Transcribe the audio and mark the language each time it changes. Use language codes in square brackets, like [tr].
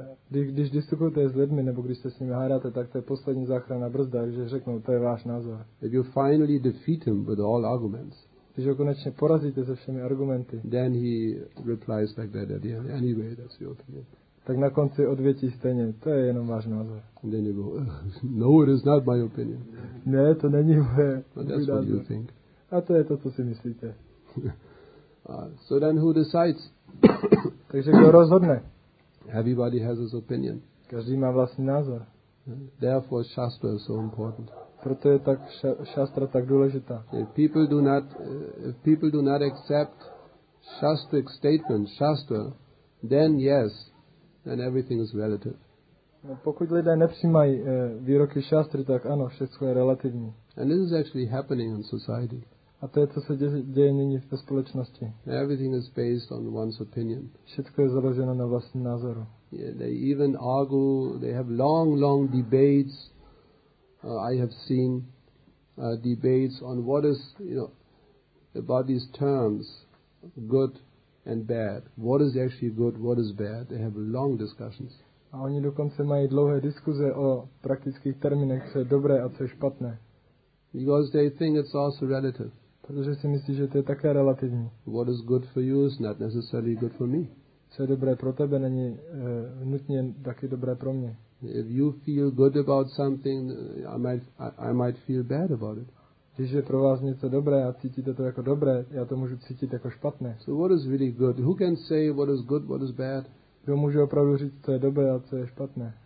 [cs] Když diskutujete s lidmi nebo když se s nimi hádáte, tak to je poslední záchrana brzda, že řeknou, to je váš názor. [en] If you finally defeat him with all arguments, [cs] když ho konečně porazíte se všemi argumenty, [en] then he replies like that at the end. Anyway, that's your opinion. [cs] Tak na konci odvětí stejně, to je jenom váš názor. [en] And then you go, no, it is not my opinion. [cs] Ne, to není moje. [en] But that's what you think. [cs] A to je to, co si myslíte. [en] So then who decides? [cs] Takže kdo rozhodne? [en] Everybody has his opinion. [cs] Každý má vlastní názor. [en] Therefore, Shastra is so important. [cs] Proto je tak Shastra tak důležitá. [en] If people do not accept Shastric statement, Shastra, then yes, then everything is relative. [cs] No, pokud lidé nepřijmají výroky Shastry, tak ano, všechno je relativní. [en] And this is actually happening in society. [cs] A to je, co se děje nyní v té společnosti. [en] Everything is based on one's opinion. [cs] Všechno je založeno na vlastním názoru. [en] Yeah, they even argue, they have long, long debates. I have seen debates on what is, you know, about these terms, good and bad. What is actually good, what is bad. They have long discussions. [cs] A oni dokonce mají dlouhé diskuze o praktických termínech, co je dobré a co je špatné. [en] Because they think it's also relative. [cs] Protože si myslí, že to je také relativní. [en] What is good for you is not necessarily good for me. [cs] Co je dobré pro tebe, není nutně taky dobré pro mě. [en] If you feel good about something, I might feel bad about it. [cs] Když je pro vás něco dobré a cítíte to jako dobré, já to můžu cítit jako špatné. [en] So what is really good? Who can say what is good, what is bad? [cs] Kdo může opravdu říct, co je dobré a co je špatné?